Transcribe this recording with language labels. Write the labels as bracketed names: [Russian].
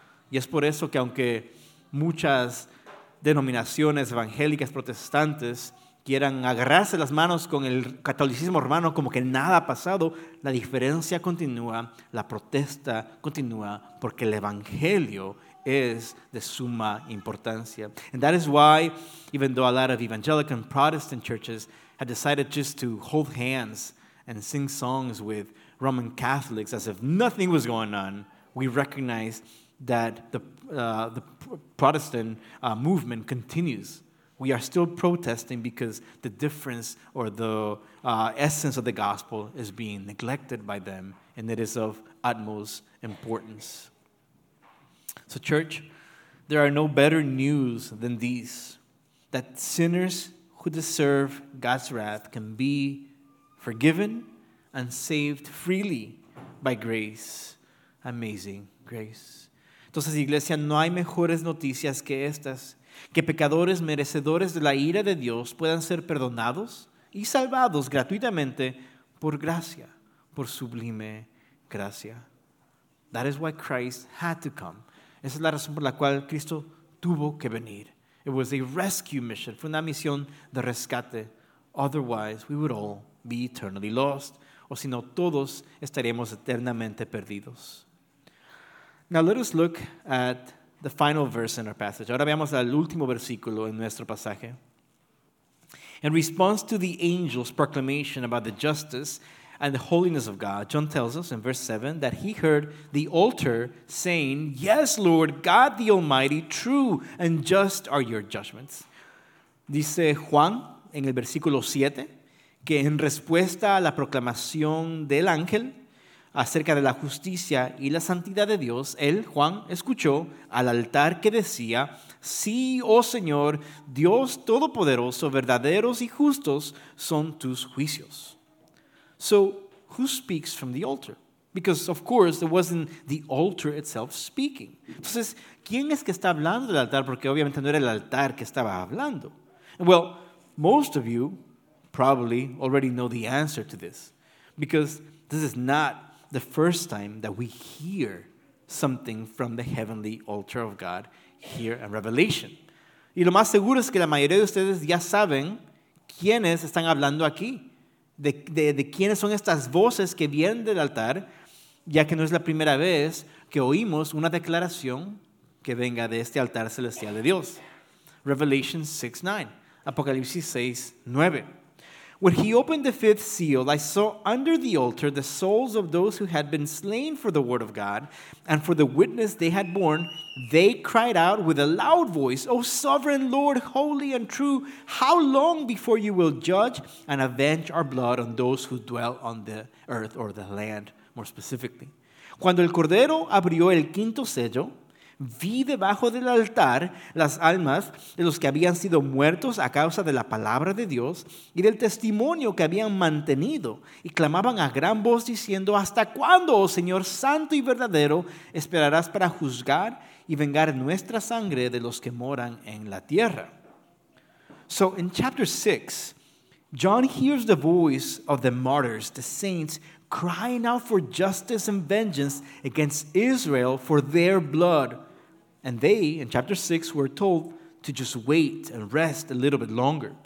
[Spanish] Y es por eso que aunque muchas denominaciones evangélicas protestantes quieran agarrarse las manos con el catolicismo romano como que nada ha pasado, la diferencia continúa, la protesta continúa, porque el evangelio es de suma importancia. [English] And that is why, even though a lot of evangelical and Protestant churches have decided just to hold hands and sing songs with Roman Catholics as if nothing was going on, we recognize that the Protestant movement continues. We are still protesting because the difference or the essence of the gospel is being neglected by them, and it is of utmost importance. So church, there are no better news than these, that sinners who deserve God's wrath can be forgiven and saved freely by grace. Amazing grace. [Spanish] Entonces, iglesia, no hay mejores noticias que estas. Que pecadores merecedores de la ira de Dios puedan ser perdonados y salvados gratuitamente por gracia, por sublime gracia. [English] That is why Christ had to come. [Spanish] Esa es la razón por la cual Cristo tuvo que venir. [English] It was a rescue mission. [Spanish] Fue una misión de rescate. [English] Otherwise, we would all be eternally lost. [Spanish] O si no, todos estaríamos eternamente perdidos. [English] Now let us look at the final verse in our passage. [Spanish] Ahora veamos el último versículo en nuestro pasaje. [English] In response to the angel's proclamation about the justice and the holiness of God, John tells us in verse 7 that he heard the altar saying, "Yes, Lord, God the Almighty, true and just are your judgments." [Spanish] Dice Juan en el versículo 7 que en respuesta a la proclamación del ángel acerca de la justicia y la santidad de Dios, él, Juan, escuchó al altar que decía, "Sí, oh Señor, Dios Todopoderoso, verdaderos y justos son tus juicios." [English] So, who speaks from the altar? Because, of course, it wasn't the altar itself speaking. [Spanish] Entonces, ¿quién es que está hablando del altar? Porque obviamente no era el altar que estaba hablando. [English] Well, most of you probably already know the answer to this, because this is not the first time that we hear something from the heavenly altar of God here in Revelation. [Spanish] Y lo más seguro es que la mayoría de ustedes ya saben quiénes están hablando aquí, de quiénes son estas voces que vienen del altar, ya que no es la primera vez que oímos una declaración que venga de este altar celestial de Dios. [English] Revelation 6:9, [Spanish] Apocalipsis 6:9. [English] "When he opened the fifth seal, I saw under the altar the souls of those who had been slain for the word of God and for the witness they had borne. They cried out with a loud voice, 'O sovereign Lord, holy and true, how long before you will judge and avenge our blood on those who dwell on the earth or the land, more specifically?'" [Spanish] Cuando el Cordero abrió el quinto sello, vi debajo del altar las almas de los que habían sido muertos a causa de la palabra de Dios y del testimonio que habían mantenido, y clamaban a gran voz diciendo, "¿Hasta cuándo, oh Señor santo y verdadero, esperarás para juzgar y vengar nuestra sangre de los que moran en la tierra?" [English] So in chapter 6, John hears the voice of the martyrs, the saints, crying out for justice and vengeance against Israel for their blood. And they, in chapter 6, were told to just wait and rest a little bit longer.